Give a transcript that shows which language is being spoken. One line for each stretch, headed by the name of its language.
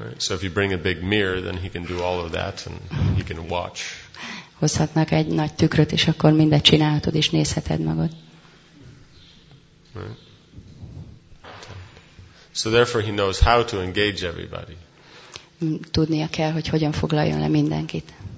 English: Right? So if you bring a big mirror, then he can do all of that, and he can watch.
Hungarian: Hozhatnak egy nagy tükröt, és akkor mindet csinálhatod, és nézheted magad.
English: So therefore he knows how to engage everybody.
Hungarian: Tudnia kell, hogy hogyan foglaljon le mindenkit.